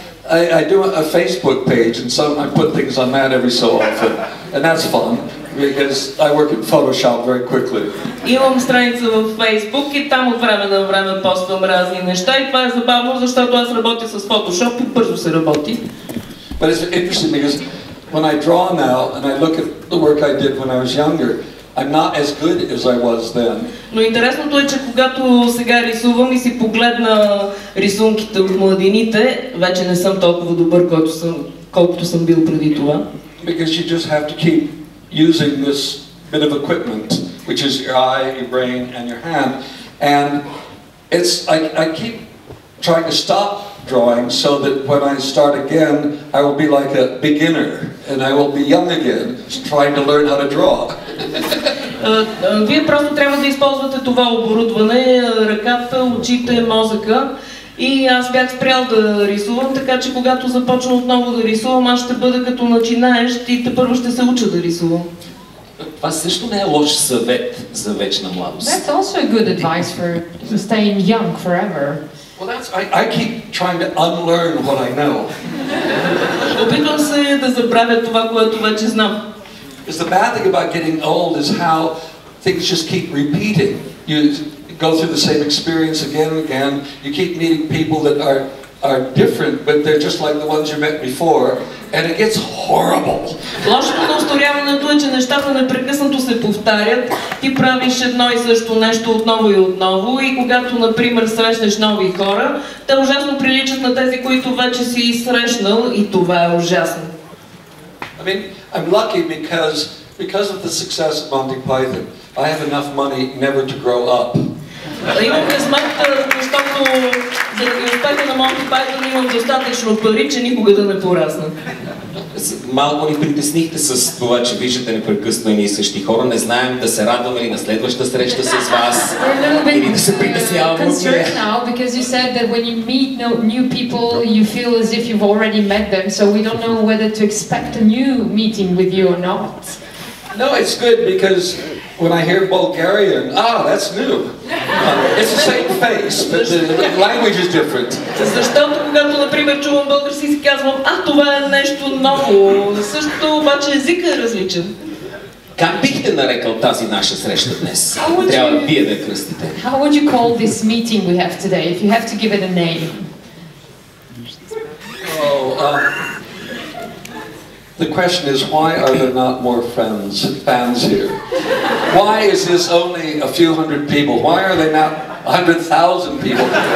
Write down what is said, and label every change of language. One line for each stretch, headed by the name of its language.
English: I do a Facebook page and some I put things on that every so often. And that's fun because I work in Photoshop very quickly.
Bulgarian: Имам страница в Facebook и там от време на време поствам разни неща и това е забавно, защото аз работя с Photoshop и бързо се работи.
English: But it's interesting because when I draw now and I look at the work I did when I was younger, I'm not as good as I was then.
Bulgarian: Но интересното е, че когато сега рисувам и си погледна рисунките от младините, вече не съм толкова добър, колкото съм бил преди това.
English: Because you just have to keep using this bit of equipment, which is your eye, your brain, and your hand. And it's I keep trying to stop drawing so that when I start again, I will be like a beginner and I will be young again, trying to learn how to draw.
Bulgarian: Вие просто трябва да използвате това оборудване, ръката, очите, мозъка. И аз бях спрял да рисувам, така че когато започна отново да рисувам, аз ще бъда като начинаещ и тепърво ще се уча да рисувам. Това също не е лош съвет за вечна младост.
English: That's also a good advice for staying young forever. Well, I keep trying to unlearn what I know.
Bulgarian: Опитвам се да забравя това, което вече знам.
English: Because the bad thing about getting old is how things just keep repeating. You go through the same experience again and again. You keep meeting people that are different, but they're just like the ones you met before. And it gets horrible.
Bulgarian: Лошото на устаряването е, че нещата непрекъснато се повтарят. Ти правиш едно и също нещо отново и отново. И когато, например, срещнеш нови хора, те ужасно приличат на тези, които вече си срещнал. И това е ужасно.
English: I mean, I'm lucky because of the success of Monty Python, I have enough money never to grow up.
Bulgarian: Имам късмет, защото заради успеха на Monty Python имам достатъчно пари, че никога да не порасна. Малко ни притеснихте с това, че виждате непрекъснато и същи хора. Не знаем да се радваме ли на следваща среща с вас или да се притесняваме от тях.
English: Now because you said that when you meet new people you feel as if you've already met them, so we don't know whether to expect a new meeting with you or not. No, it's good because when I hear Bulgarian, that's new. It's the same face, but the language is different.
Bulgarian: Защото когато, например, чувам български, си казвам, това е нещо ново. Същото обаче езика е различен. Как бихте нарекал тази наша среща днес? Трябва вие да кръстите.
English: How would you call this meeting we have today, if you have to give it a name? The question is, why are there not more friends and fans here? Why is this only a few hundred people? Why are they not 100,000 people?